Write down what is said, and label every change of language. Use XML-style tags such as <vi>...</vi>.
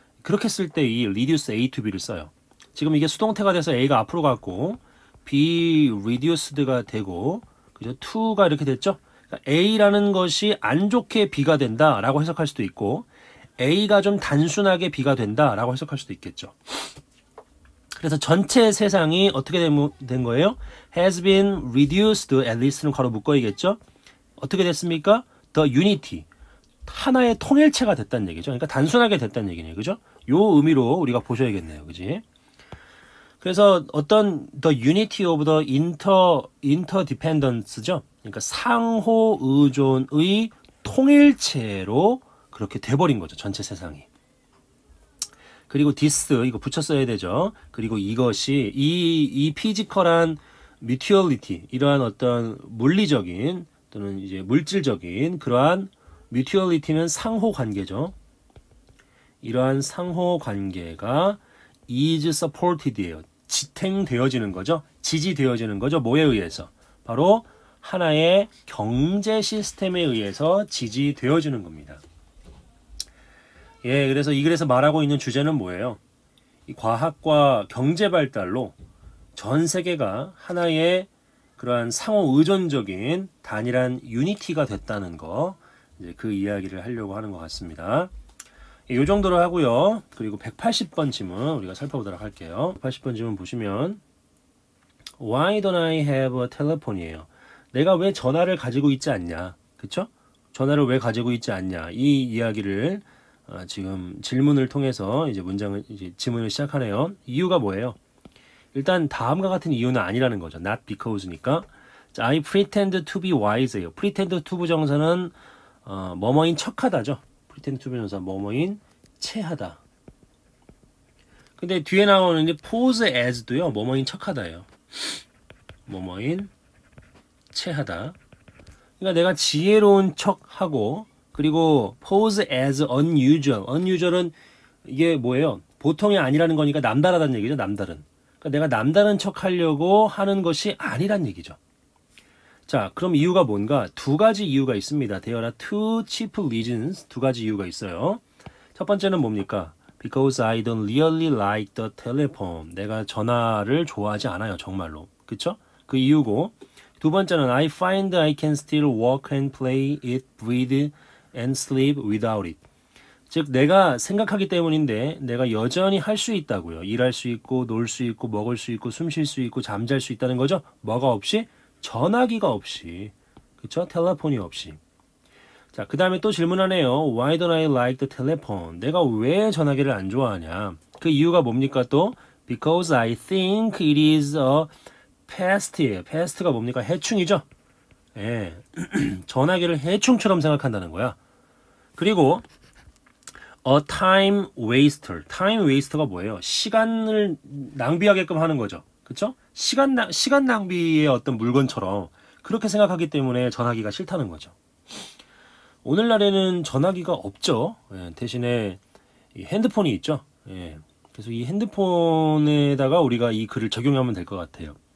<ko>그렇게 쓸때이</ko> <en>reduce A to B</en> <ko>를 써요. 지금 이게 수동태가 돼서 A가 앞으로 갔고, B reduced가 되고, 그죠? To가 이렇게 됐죠? A라는 것이 안 좋게 B가 된다라고 해석할 수도 있고, A가 좀 단순하게 B가 된다라고 해석할 수도 있겠죠. 그래서 전체 세상이 어떻게 된 거예요?</ko> <en>Has been reduced,</en> <ko>at least는 괄호 묶어야겠죠? 어떻게 됐습니까?</ko> <en>The unity.</en> <ko>하나의 통일체가 됐다는 얘기죠. 그러니까 단순하게 됐다는 얘기네요. 그죠? 요 의미로 우리가 보셔야겠네요. 그지? 그래서 어떤</ko> <en>the unity of the interdependence</en> <ko>죠? 그러니까 상호의존의 통일체로 그렇게 돼버린 거죠. 전체 세상이. 그리고</ko> <en>this,</en> <ko>이거 붙였어야 되죠. 그리고 이것이, 이 피지컬한 뮤추얼리티, 이러한 어떤 물리적인 또는 이제 물질적인 그러한 뮤추얼리티는 상호 관계죠. 이러한 상호 관계가</ko> <en>is supported</en> <ko>예요. 지탱되어지는 거죠. 지지되어지는 거죠. 뭐에 의해서? 바로 하나의 경제 시스템에 의해서 지지되어지는 겁니다. 예, 그래서 이 글에서 말하고 있는 주제는 뭐예요? 이 과학과 경제 발달로 전 세계가 하나의 그러한 상호 의존적인 단일한 유니티가 됐다는 거, 이제 그 이야기를 하려고 하는 것 같습니다. 예, 이 정도로 하고요. 그리고 180번 지문 우리가 살펴보도록 할게요. 180번 지문 보시면,</ko> <en>Why don't I have a telephone</en> <ko>이에요? 내가 왜 전화를 가지고 있지 않냐? 그쵸? 전화를 왜 가지고 있지 않냐? 이 이야기를 지금 질문을 통해서 이제 문장을, 이제 질문을 시작하네요. 이유가 뭐예요? 일단 다음과 같은 이유는 아니라는 거죠.</ko> <en>Not because</en> <ko>니까.</ko> <en>I pretend to be wise</en> <ko>예요.</ko> <en>Pretend to be</en> <ko>정서는 뭐뭐인 척하다죠.</ko> <en>Pretend to be</en> <ko>정서는 뭐뭐인 체하다. 근데 뒤에 나오는</ko> <en>pose as</en> <ko>도요. 뭐뭐인 척하다예요. 뭐뭐인 체하다. 그러니까 내가 지혜로운 척하고, 그리고</ko> <en>pose as unusual.</en> <ko>Unusual은 이게 뭐예요? 보통이 아니라는 거니까 남다르다는 얘기죠. 남다른. 그러니까 내가 남다른 척하려고 하는 것이 아니란 얘기죠. 자, 그럼 이유가 뭔가? 두 가지 이유가 있습니다.</ko> <en>There are two chief reasons.</en> <ko>두 가지 이유가 있어요. 첫 번째는 뭡니까?</ko> <en>Because I don't really like the telephone.</en> <ko>내가 전화를 좋아하지 않아요. 정말로. 그쵸? 그 이유고. 두 번째는</ko> <en>I find I can still walk and play it, breathe and sleep without it.</en> <ko>즉, 내가 생각하기 때문인데, 내가 여전히 할수 있다고요. 일할 수 있고, 놀수 있고, 먹을 수 있고, 숨쉴수 있고, 잠잘수 있다는 거죠? 뭐가 없이? 전화기가 없이. 그쵸? 텔레폰이 없이. 자, 그 다음에 또 질문하네요.</ko> <en>Why don't I like the telephone?</en> <ko>내가 왜 전화기를 안 좋아하냐? 그 이유가 뭡니까 또?</ko> <en>Because I think it is a pest</en> <ko>예요. Pest가 뭡니까? 해충이죠? 예. 전화기를 해충처럼 생각한다는 거야. 그리고</ko> <en>a time waster. time waster</en> <ko>가 뭐예요? 시간을 낭비하게끔 하는 거죠. 그쵸? 시간 낭비의 어떤 물건처럼 그렇게 생각하기 때문에 전화기가 싫다는 거죠. 오늘날에는 전화기가 없죠. 예, 대신에 이 핸드폰이 있죠. 예. 그래서 이 핸드폰에다가 우리가 이 글을 적용하면 될것 같아요.</ko>